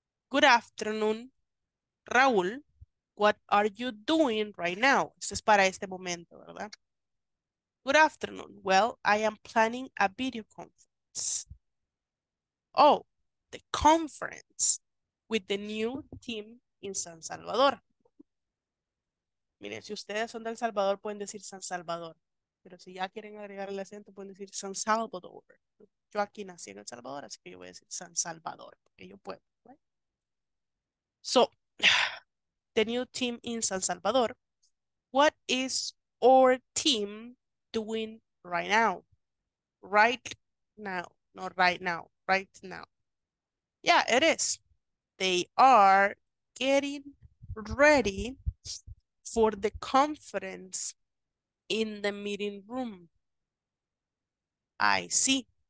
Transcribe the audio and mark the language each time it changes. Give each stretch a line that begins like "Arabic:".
English: Good afternoon, Raúl. What are you doing right now?
Spanish: Esto es para este momento, ¿verdad?
English: Good afternoon. Well, I am planning a video conference. Oh, the conference with the new team in San Salvador.
Spanish: Miren, si ustedes son de El Salvador, pueden decir San Salvador. Pero si ya quieren agregar el acento, pueden decir San Salvador. Yo aquí nací en El Salvador, así que yo voy a decir San Salvador, porque yo puedo.
English: So, the new team in San Salvador, what is our team doing right now? Right now, not right now, right now. Yeah, it is. They are getting ready for the conference in the meeting room. I see.